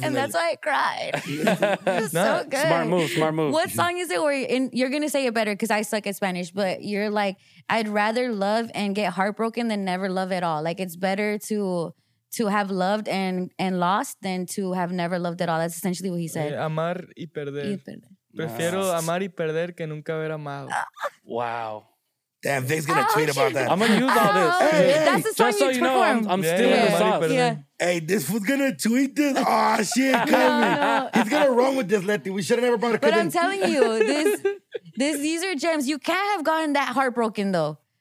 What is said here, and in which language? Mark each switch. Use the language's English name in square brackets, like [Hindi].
[English] And that's why I cried. So good. Smart move. What song is it where you're going to say it better because I suck at Spanish, but you're like, I'd rather love and get heartbroken than never love at all. Like, it's better to have loved and lost than to have never loved at all. That's essentially what he said. [Spanish] Amar y perder. Prefiero amar y perder que nunca haber amado. [English] Wow. Damn, Vic's gonna tweet about that. I'm gonna use all this. Hey, hey. That's the song. Just so you perform. Know, I'm stealing the sauce. Hey, this fool's gonna tweet this. Oh, shit, coming. No. He's gonna run with this, Letty. We should have never brought it. But I'm telling you, these are gems. You can't have gotten that heartbroken, though.